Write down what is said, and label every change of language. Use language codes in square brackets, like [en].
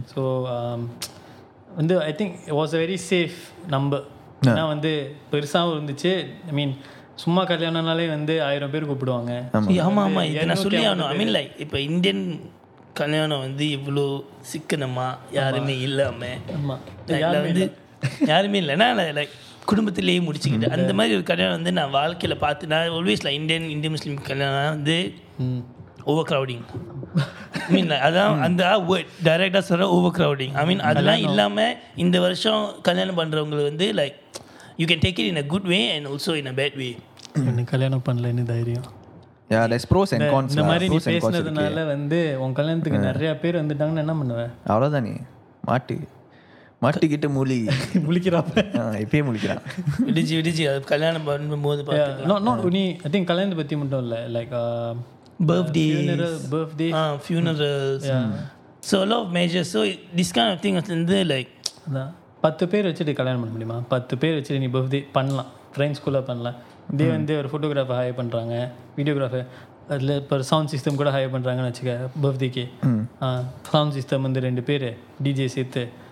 [en] So and I think it was a very safe number. [ta] ஏன்னா வந்து பெருசாவும் இருந்துச்சு. ஐ மீன் சும்மா கல்யாணம்னாலே வந்து 1000 பேர் கூப்பிடுவாங்க. ஆமா ஆமா, இதை நான் சொல்லி ஆகணும். ஐ மீன் லைக் இப்போ இந்தியன் கல்யாணம் வந்து இவ்வளோ சிக்கனமா யாருமே இல்லாம வந்து யாருமே இல்லைன்னா லைக் குடும்பத்திலேயே முடிச்சுக்கிட்டு அந்த மாதிரி ஒரு கல்யாணம் வந்து நான் வாழ்க்கையில் பார்த்து நான் ஆல்வேஸ் லைக் இந்தியன் இந்திய முஸ்லீம் கல்யாணம் வந்து ஓவர் க்ரௌடிங். ஐ மீன் அதான் அந்த வேர்ட் டைரக்டாக சொல்கிற ஓவர் க்ரௌடிங். ஐ மீன் அதெல்லாம் இல்லாமல் இந்த வருஷம் கல்யாணம் பண்ணுறவங்களுக்கு வந்து [en] Like you can take it in a good way and also in a bad way. [ta] என்ன கல்யாணம் பண்ணலன்னு தைரியம். [en] Yeah, there's pros and cons. [ta] இந்த மாதிரி நீ பேசினதுனால வந்து உன் கல்யாணத்துக்கு நிறைய பேர் வந்துட்டாங்கன்னு என்ன பண்ணுவ? அவ்வளோதானே, மாட்டி மாட்டிக்கிட்டு மூலி முழிக்கிறாப்பே இப்பயே முழிக்கிறான். விடிஞ்சி விடிஞ்சி அது கல்யாணம் பண்ணும்போது பார்த்து நீ ஐ திங்க் கல்யாணத்தை பற்றி மட்டும் இல்லை like [en] Birthdays, funerals. Yeah. So a lot of measures. So this kind of thing is in there like... [ta] 10 பேர் வச்சுட்டு கல்யாணம் பண்ண முடியுமா? 10 பேர் வச்சுட்டு நீ பர்த்டே பண்ணலாம், ஃப்ரெண்ட்ஸ் கூட பண்ணலாம். இதே வந்து ஒரு ஃபோட்டோகிராஃபர் ஹையர் பண்ணுறாங்க, வீடியோகிராஃபர், அதில் இப்போ சவுண்ட் சிஸ்டம் கூட ஹையர் பண்ணுறாங்கன்னு வச்சுக்க பர்த்டேக்கு. சவுண்ட் சிஸ்டம் வந்து ரெண்டு பேர், டிஜே சேர்த்து,